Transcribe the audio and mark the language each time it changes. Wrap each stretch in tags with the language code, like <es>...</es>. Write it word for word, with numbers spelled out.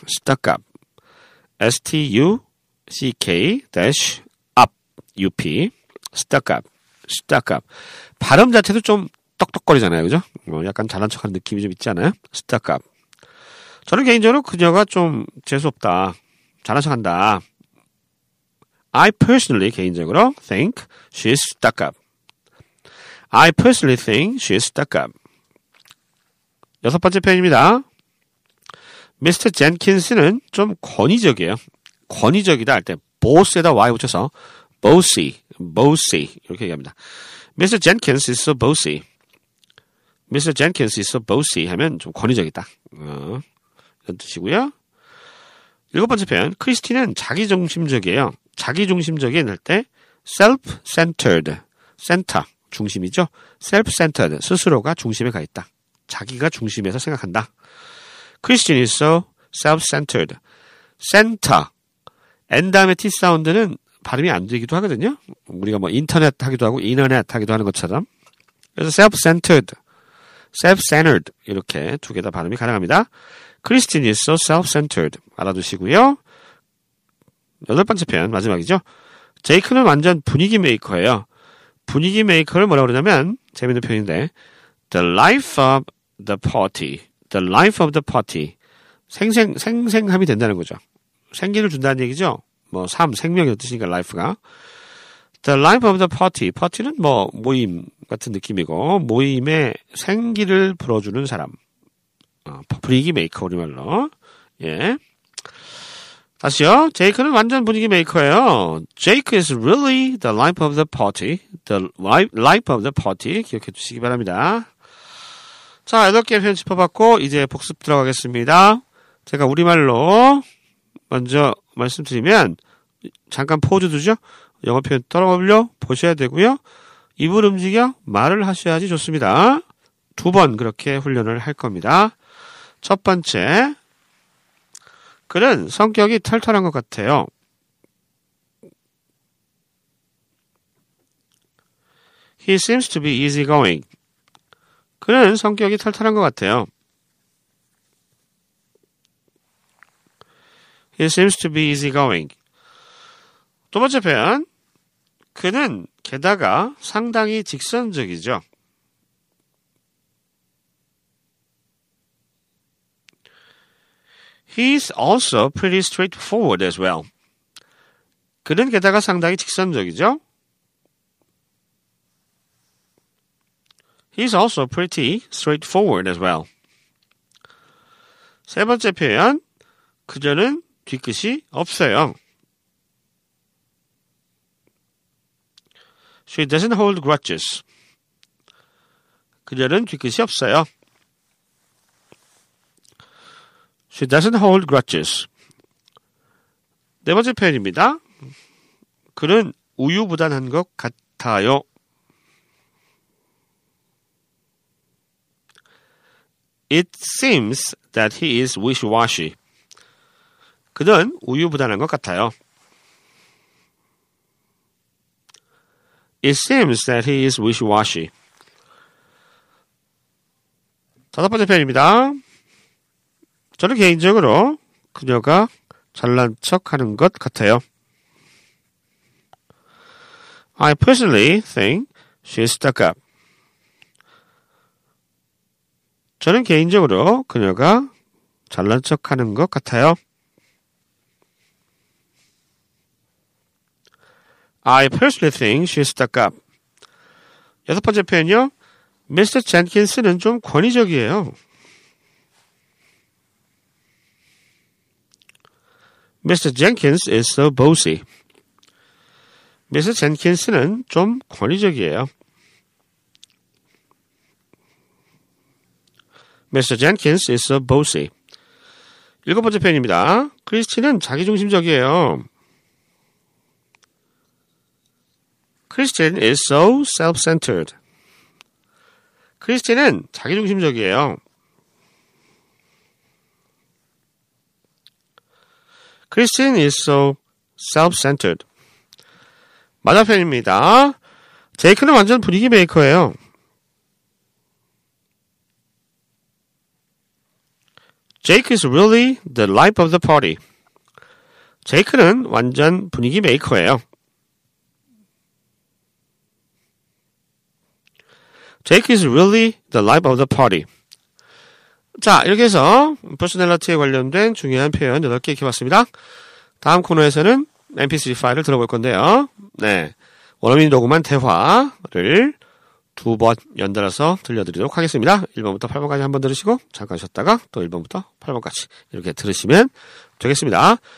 <ko>시딱갑.</ko> <en>S T U C K-up.</en> <ko>시딱갑. 시딱갑. 발음 자체도 좀 떡떡거리잖아요. 그죠? 어, 약간 잘난 척하는 느낌이 좀 있지 않아요? 시딱갑. 저는 개인적으로 그녀가 좀 재수없다. 잘난 척한다.</ko> <en>I personally,</en> <ko>개인적으로,</ko> <en>think she's stuck up. I personally think she's stuck up.</en> <ko>여섯 번째 표현입니다. 미스터 Jenkins는 좀 권위적이에요. 권위적이다 할 때 boss에다 y 붙여서 bossy, bossy 이렇게 얘기합니다.</ko> <en>미스터 Jenkins is so bossy. 미스터 Jenkins is so bossy</en> <ko>하면 좀 권위적이다. 어, 이런 뜻이고요. 일곱 번째 표현. 크리스티는 자기중심적이에요. 자기중심적인 할 때 self-centered, 센터, 중심이죠. self-centered, 스스로가 중심에 가있다. 자기가 중심에서 생각한다.</ko> <en>Christian is so self-centered. center.</en> <ko>n 다음에 t 사운드는 발음이 안 되기도 하거든요. 우리가 뭐 인터넷 하기도 하고 인터넷 하기도 하는 것처럼. 그래서 self-centered, self-centered 이렇게 두 개 다 발음이 가능합니다.</ko> <en>Christian is so self-centered</en> <ko>알아두시고요. 여덟 번째 표현 마지막이죠. 제이크는 완전 분위기 메이커예요. 분위기 메이커를 뭐라고 그러냐면 재미있는 표현인데</ko> <en>The life of the party. The life of the party.</en> <ko>생생, 생생함이 된다는 거죠. 생기를 준다는 얘기죠. 뭐 삶, 생명이 뜻이니까 life가.</ko> <en>The life of the party.</en> <ko>party는 뭐 모임 같은 느낌이고 모임에 생기를 불어주는 사람. 어, 분위기 메이커 우리말로. 예. 다시요. 제이크는 완전 분위기 메이커예요.</ko> <en>Jake is really the life of the party. The life of the party.</en> <ko>기억해 주시기 바랍니다. 자, 여덟 개 표현 짚어봤고 이제 복습 들어가겠습니다. 제가 우리말로 먼저 말씀드리면 잠깐 포즈 두죠. 영어 표현 따라올려 보셔야 되고요. 입을 움직여 말을 하셔야지 좋습니다. 두 번 그렇게 훈련을 할 겁니다. 첫 번째, 그는 성격이 털털한 것 같아요.</ko> <en>He seems to be easygoing.</en> <ko>그는 성격이 털털한 것 같아요.</ko> <en>He seems to be easygoing.</en> <ko>두 번째 표현. 그는 게다가 상당히 직선적이죠.</ko> <en>He's also pretty straightforward as well.</en> <ko>그는 게다가 상당히 직선적이죠.</ko> <en>He's also pretty straightforward as well.</en> <ko>세 번째 표현. 그녀는 뒤끝이 없어요.</ko> <en>She doesn't hold grudges.</en> <ko>그녀는 뒤끝이 없어요.</ko> <en>She doesn't hold grudges.</en> <ko>네 번째 표현입니다. 그는 우유부단한 것 같아요.</ko> <en>It seems that he is wishy-washy.</en> <ko>그는 우유부단한 것 같아요.</ko> <en>It seems that he is wishy-washy.</en> <ko>다섯 번째 표현입니다. 저는 개인적으로 그녀가 잘난 척하는 것 같아요.</ko> <en>I personally think she is stuck up.</en> <ko>저는 개인적으로 그녀가 잘난 척하는 것 같아요.</ko> <en>I personally think she is stuck up.</en> <ko>여섯 번째 표현요. 미스터 젠킨스는 좀 권위적이에요.</ko> <en>미스터 Jenkins is so bossy.</en> <ko>미스터 Jenkins는 좀 권위적이에요.</ko> <en>미스터 Jenkins is so bossy.</en> <ko>일곱 번째 표현입니다. 크리스티는 자기중심적이에요.</ko> <en>Christian is so self-centered.</en> <ko>크리스티는 자기중심적이에요.</ko> <en>Christian is so self-centered.</en> <ko>마지막 표현입니다. 제이크는 완전 분위기 메이커예요.</ko> <en>Jake is really the life of the party.</en> <ko>제이크는 완전 분위기 메이커예요.</ko> <en>Jake is really the life of the party.</en> <ko>자, 이렇게 해서 퍼스널리티에 관련된 중요한 표현 여덟 개 익혀봤습니다. 다음 코너에서는 엠피쓰리 파일을 들어볼 건데요. 네, 원어민 녹음한 대화를 두 번 연달아서 들려드리도록 하겠습니다. 일 번부터 팔 번까지 한번 들으시고 잠깐 쉬었다가 또 일 번부터 팔 번까지 이렇게 들으시면 되겠습니다.</ko>